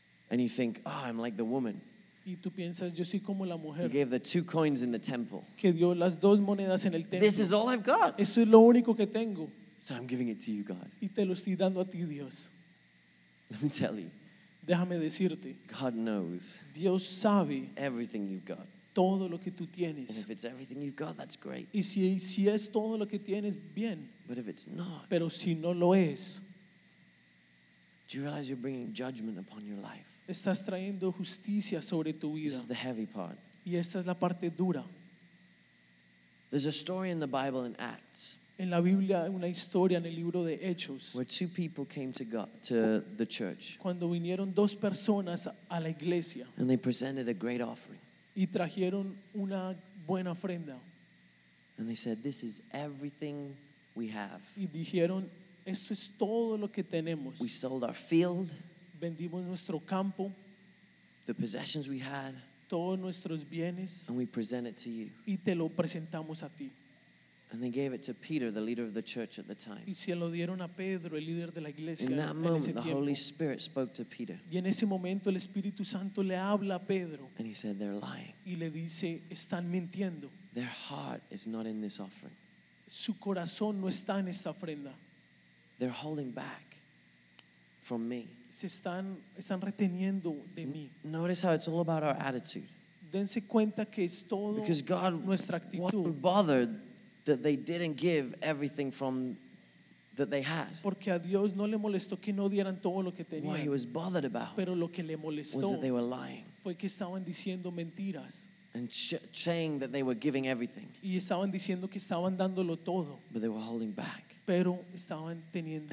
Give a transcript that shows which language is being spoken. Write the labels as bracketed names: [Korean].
[English] And you think, oh, I'm like the woman. [Spanish] Y tú piensas, yo soy como la mujer. [English] Who gave the 2 coins in the temple. [Spanish] Que dio las dos monedas en el templo. [English] This is all I've got. [Spanish] Esto es lo único que tengo. [English] So I'm giving it to you, God. [Spanish] Y te lo estoy dando a ti, Dios. [English] Let me tell you. [Spanish] Déjame decirte, [English] God knows [Spanish] Dios sabe [English] everything you've got. [Spanish] todo lo que tú tienes. [English] And if it's everything you've got, that's great. [Spanish] Y si es todo lo que tienes, bien. [English] But if it's not, [Spanish] pero si no lo es, [English] do you realize you're bringing judgment upon your life? [Spanish] Estás trayendo justicia sobre tu vida. [English] This is the heavy part. [Spanish] Y esta es la parte dura. [English] There's a story in the Bible in Acts. [Spanish] En la Biblia hay una historia en el libro de Hechos. [English] Where two people came to God, to the church. [Spanish] Cuando vinieron dos personas a la iglesia. [English] And they presented a great offering. [Spanish] Y trajeron una buena ofrenda. [English] And they said, "This is everything we have." [Spanish] Y dijeron, "Esto es todo lo que tenemos." [English] We sold our field. [Spanish] Vendimos nuestro campo. [English] The possessions we had. [Spanish] Todos nuestros bienes. [English] And we present it to you. [Spanish] Y te lo presentamos a ti. [English] And they gave it to Peter, the leader of the church at the time. [Spanish] Y se lo dieron a Pedro, el líder de la iglesia. [English] In that moment, the Holy Spirit spoke to Peter. [Spanish] Y en ese momento el Espíritu Santo le habla a Pedro. [English] And he said, "They're lying." [Spanish] Y le dice, están mintiendo. [English] Their heart is not in this offering. [Spanish] Su corazón no está en esta ofrenda. [English] They're holding back from me. [Spanish] Se están reteniendo de mí. [English] Notice how it's all about our attitude. [Spanish] Dense cuenta que es todo [English] because God [Spanish] nuestra actitud. [English] Wasn't bothered that they didn't give everything from that they had. [Spanish] Porque a Dios no le molestó que no dieran todo lo que tenían. [English] What he was bothered about. [Spanish] Pero lo que le molestó [English] was that they were lying. [Spanish] Fue que estaban diciendo mentiras. [English] And saying that they were giving everything. [Spanish] Y estaban diciendo que estaban dándolo todo. [English] But they were holding back. [Spanish] Pero estaban teniendo.